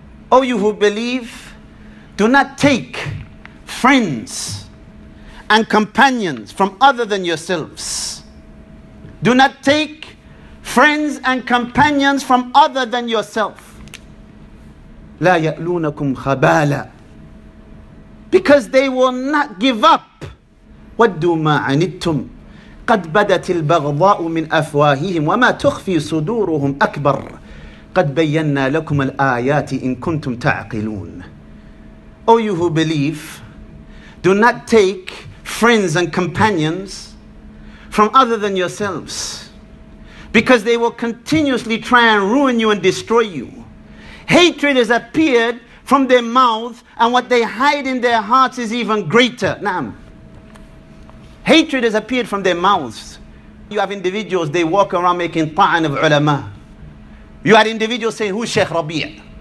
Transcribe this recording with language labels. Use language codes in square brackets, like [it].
[en] O you who believe, do not take friends and companions from other than yourselves. Do not take friends and companions from other than yourself. [ar] La ya'lunakum khabala. [en] Because they will not give up. [ar] وَدُّوا مَا عَنِتُّمْ قَدْ بَدَتِ الْبَغْضَاءُ مِنْ أَفْوَاهِهِمْ وَمَا تُخْفِي صُدُورُهُمْ أَكْبَرُ قَدْ بَيَّنَّا لَكُمَ الْآيَاتِ إِن كُنْتُمْ تَعْقِلُونَ [en] O you who believe, do not take friends and companions from other than yourselves. Because they will continuously try and ruin you and destroy you. Hatred has appeared from their mouth, and what they hide in their hearts is even greater. Naam. Hatred has appeared from their mouths. You have individuals, they walk around making ta'an of ulama. You had individuals saying, who's Sheikh Rabi'?